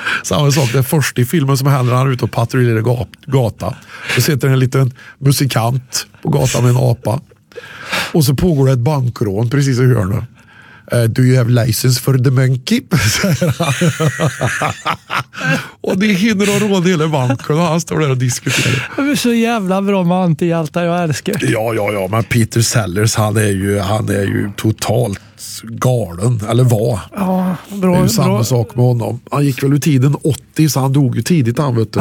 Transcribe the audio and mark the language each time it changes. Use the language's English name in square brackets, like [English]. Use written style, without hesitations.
[Swedish] Samma sak, det är först i filmen som händer, han är ute och patrullerar gatan. Då sitter en liten musikant på gatan med en apa. Och så pågår det ett bankrån precis i hörnet. [English] Do you have license for the monkey? [Swedish] Och det hinner att råda hela banken. Han står där och diskuterar. Han är så jävla bra med antihjältar, jag älskar. Ja. Men Peter Sellers, han är ju totalt galen. Eller vad? Ja, bra. Det är ju bra. Samma sak med honom. Han gick väl ur tiden 80, så han dog ju tidigt, han vet du.